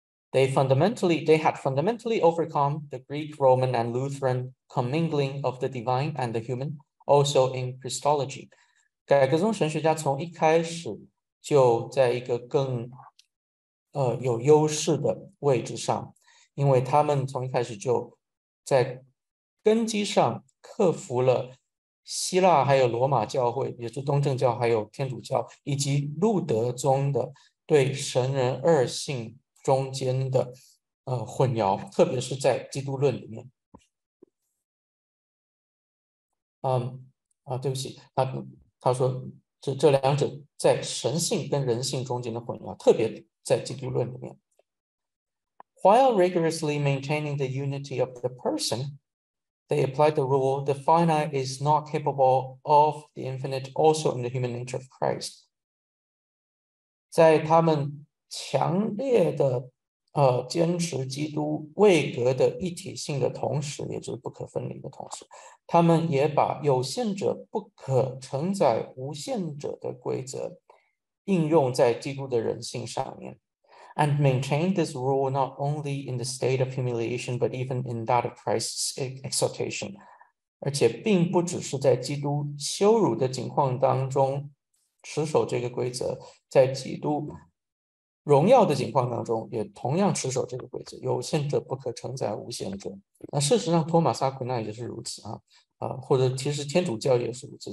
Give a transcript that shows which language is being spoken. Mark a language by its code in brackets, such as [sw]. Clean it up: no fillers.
[en] They had fundamentally overcome the Greek, Roman, and Lutheran commingling of the divine and the human, also in Christology. [zh] 改革宗神学家从一开始就在一个更有优势的位置上，因为他们从一开始就在根基上克服了希腊还有罗马教会，也就是东正教，还有天主教，以及路德宗的对神人二性中间的混淆，特别是在基督论里面。对不起，他说这两者在神性跟人性中间的混淆，特别在基督论里面。 [en] While rigorously maintaining the unity of the person, they apply the rule the finite is not capable of the infinite also in the human nature of Christ. [zh] 在他们强烈的坚持基督位格的一体性的同时，也就是不可分离的同时，他们也把有限者不可承载无限者的规则应用在基督的人性上面。 [en] And maintain this rule not only in the state of humiliation, but even in that of Christ's exaltation. [zh] 而且并不只是在基督羞辱的境况当中持守这个规则，在基督荣耀的境况当中也同样持守这个规则。有限者不可承载无限者。那事实上，托马斯阿奎那也是如此啊，或者其实天主教也是如此。